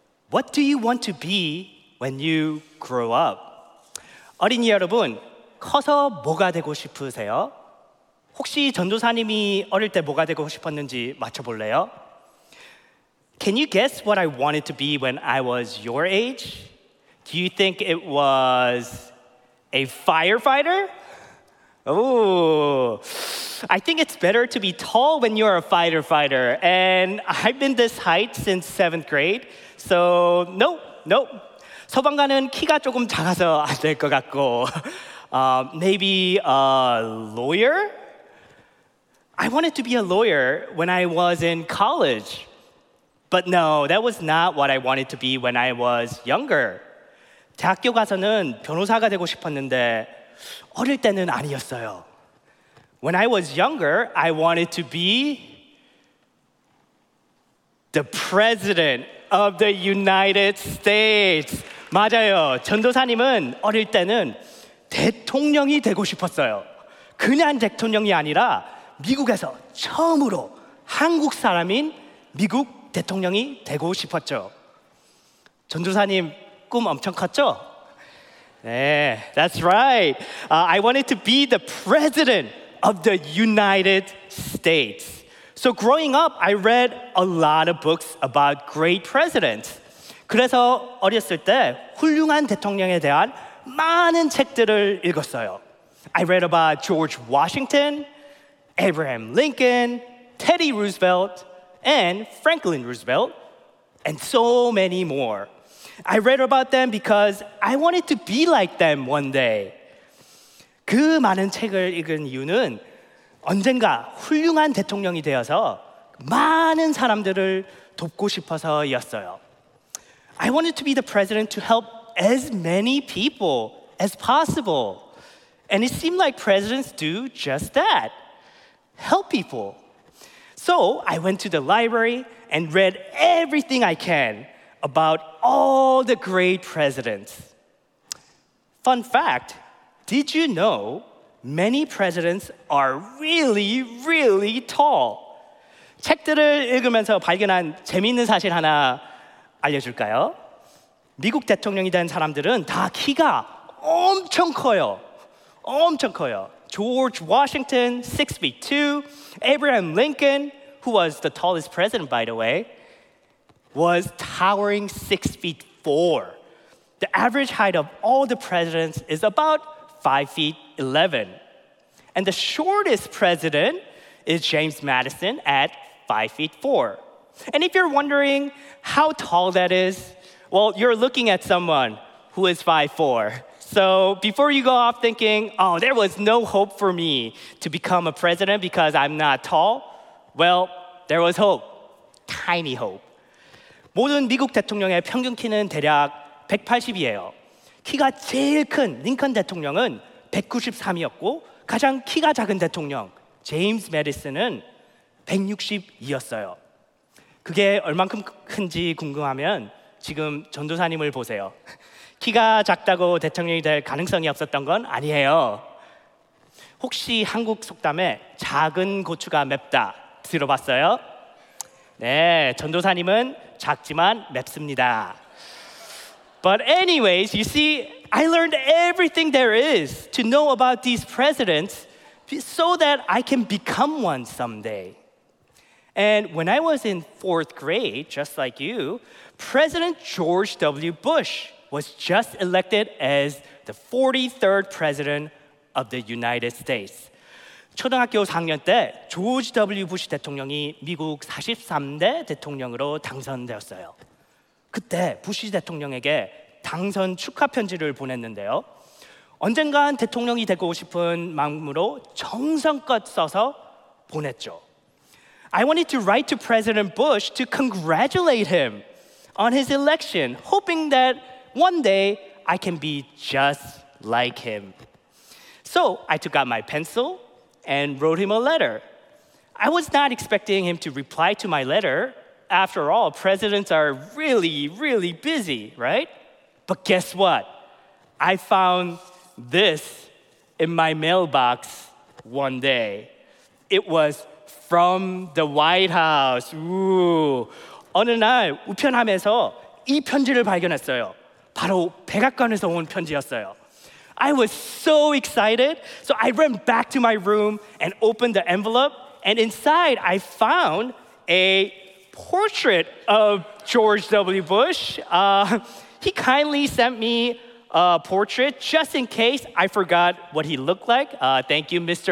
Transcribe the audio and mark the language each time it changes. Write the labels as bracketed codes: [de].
[en] What do you want to be when you grow up? [ko] 어린이 여러분, 커서 뭐가 되고 싶으세요? 혹시 전도사님이 어릴 때 뭐가 되고 싶었는지 맞춰볼래요? [en] Can you guess what I wanted to be when I was your age? Do you think it was a firefighter? Oh, I think it's better to be tall when you're a firefighter. And I've been this height since seventh grade. So, nope. [ko] 소방관은 키가 조금 작아서 안 될 것 같고. [en] Maybe a lawyer? I wanted to be a lawyer when I was in college. But no, that was not what I wanted to be when I was younger. [ko] 대학교 가서는 변호사가 되고 싶었는데 어릴 때는 아니었어요. [en] When I was younger, I wanted to be the president of the United States. [ko] 맞아요. 전도사님은 어릴 때는 대통령이 되고 싶었어요. 그냥 대통령이 아니라 미국에서 처음으로 한국 사람인 미국 대통령이 되고 싶었죠. 전도사님 꿈 엄청 컸죠? 네, [en] that's right. I wanted to be the president of the United States. So growing up, I read a lot of books about great presidents. [ko] 그래서 어렸을 때 훌륭한 대통령에 대한 많은 책들을 읽었어요. [en] I read about George Washington, Abraham Lincoln, Teddy Roosevelt, and Franklin Roosevelt, and so many more. I read about them because I wanted to be like them one day. [ko] 그 많은 책을 읽은 이유는 언젠가 훌륭한 대통령이 되어서 많은 사람들을 돕고 싶어서였어요. [en] I wanted to be the president to help as many people as possible. And it seemed like presidents do just that. Help people. So I went to the library and read everything I can about all the great presidents. Fun fact, did you know many presidents are really, really tall? [ko] 책들을 읽으면서 발견한 재미있는 사실 하나 알려줄까요? 미국 대통령이 된 사람들은 다 키가 엄청 커요. 엄청 커요. [en] George Washington, 6'2". Abraham Lincoln, who was the tallest president, by the way, was towering 6'4". The average height of all the presidents is about 5'11". And the shortest president is James Madison at 5'4". And if you're wondering how tall that is, well, you're looking at someone who is 5'4". So before you go off thinking, oh, there was no hope for me to become a president because I'm not tall, well, there was hope, tiny hope. [ko] 모든 미국 대통령의 평균 키는 대략 180이에요. 키가 제일 큰 링컨 대통령은 193이었고 가장 키가 작은 대통령, 제임스 매디슨은 162였어요. 그게 얼만큼 큰지 궁금하면 지금 전도사님을 보세요. 키가 작다고 대통령이 될 가능성이 없었던 건 아니에요. 혹시 한국 속담에 작은 고추가 맵다 들어봤어요? 네, 전도사님은 작지만 맵습니다. [en] But anyways, you see, I learned everything there is to know about these presidents so that I can become one someday. And when I was in fourth grade, just like you, President George W. Bush was just elected as the 43rd president of the United States. [ko] 초등학교 4학년 때 조지 W. 부시 대통령이 미국 43대 대통령으로 당선되었어요. 그때 부시 대통령에게 당선 축하 편지를 보냈는데요. 언젠간 대통령이 되고 싶은 마음으로 정성껏 써서 보냈죠. [en] I wanted to write to President Bush to congratulate him on his election, hoping that one day I can be just like him. So I took out my pencil and wrote him a letter. I was not expecting him to reply to my letter. After all, presidents are really, really busy, right? But guess what? I found this in my mailbox one day. It was from the White House. [ko] 어느 날 우편함에서 이 편지를 발견했어요. 바로 백악관에서 온 편지였어요. [en] I was so excited, so I ran back to my room and opened the envelope, and inside I found a portrait of George W. Bush. He kindly sent me a portrait just in case I forgot what he looked like. Thank you, Mr.